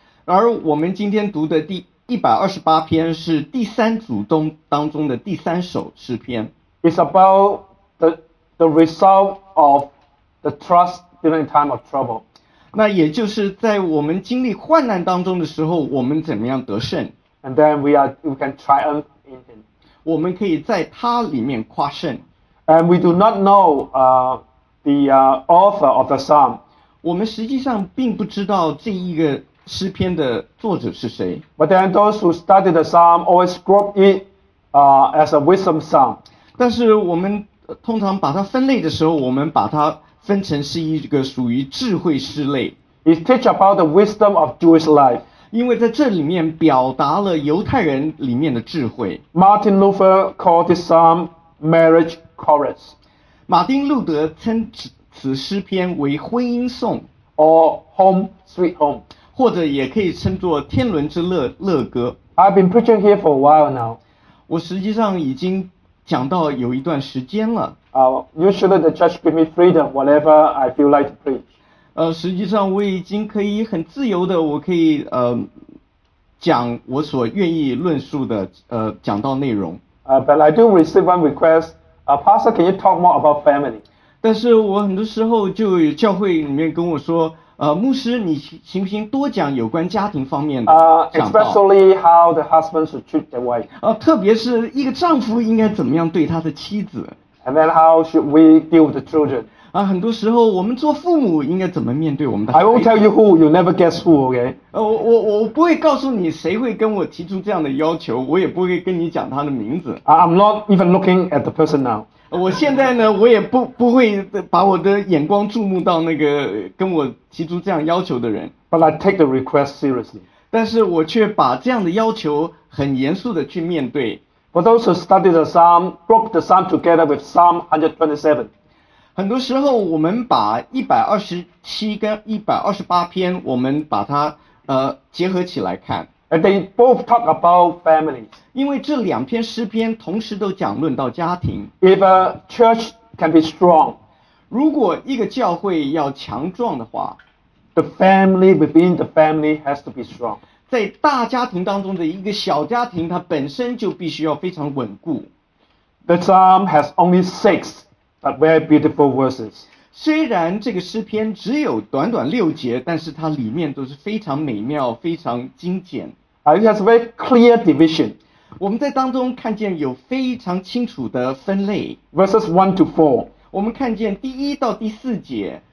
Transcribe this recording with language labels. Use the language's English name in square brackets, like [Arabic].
[Chinese] 而我们今天读的第128篇是第三组当中的第三首诗篇。 [English] It's about the the result of the trust during time of trouble. [Chinese] 那也就是在我们经历患难当中的时候，我们怎么样得胜？ [English] And then we can triumph in him. [Chinese] 我们可以在他里面夸胜。 [English] And we do not know the author of the psalm. [Chinese] 我们实际上并不知道这一个诗篇的作者是谁。 [English] But then those who study the psalm always group it as a wisdom psalm. [Chinese] 但是我们通常把它分类的时候，我们把它分成是一个属于智慧诗类。 [English] It teach about the wisdom of Jewish life. [Chinese] 因为在这里面表达了犹太人里面的智慧。 [English] Martin Luther called this psalm marriage chorus. [Chinese] 马丁路德称 此诗篇为婚姻颂。 [English] Or home sweet home. [Chinese] 或者也可以称作天伦之乐乐歌。 [English] I've been preaching here for a while now. [Chinese] 我实际上已经讲到有一段时间了。 [English] Usually the church give me freedom whenever I feel like to preach. [Chinese] 实际上我已经可以很自由的，我可以讲我所愿意论述的讲道内容。 [English] But I do receive one request. Pastor, can you talk more about family? [Chinese] 但是我很多时候就有教会里面跟我说，牧师，你行不行多讲有关家庭方面的讲道？ [English] Especially how the husband should treat the wife. [Chinese] 特别是一个丈夫应该怎么样对他的妻子 [English] ？And then how should we deal with the children? [Chinese] 很多时候我们做父母应该怎么面对我们的孩子 [English] ？I won't tell you who, you'll never guess who, okay? [Chinese] 我不会告诉你谁会跟我提出这样的要求，我也不会跟你讲他的名字。 [English] I'm not even looking at the person now. [Chinese] 我现在呢，我也不会把我的眼光注目到那个跟我提出这样要求的人。 [English] But I take the request seriously. [Chinese] 但是我却把这样的要求很严肃的去面对。 [English] For those who study the psalm, group the psalm together with Psalm 127. [Chinese] 很多时候我们把127跟128篇，我们把它结合起来看。 [English] And they both talk about families. [Chinese] 因为这两篇诗篇同时都讲论到家庭。 [English] If a church can be strong, [Chinese] 如果一个教会要强壮的话， [English] the family within the family has to be strong. [Chinese] 在大家庭当中的一个小家庭，它本身就必须要非常稳固。 [English] The psalm has only six, but very beautiful verses. [Chinese] 虽然这个诗篇只有短短六节，但是它里面都是非常美妙，非常精简。 [English] It has a very clear division. [Chinese] 我们在当中看见有非常清楚的分类。 [English] Verses 1 to 4. [Chinese] 我们看见第一到第四节。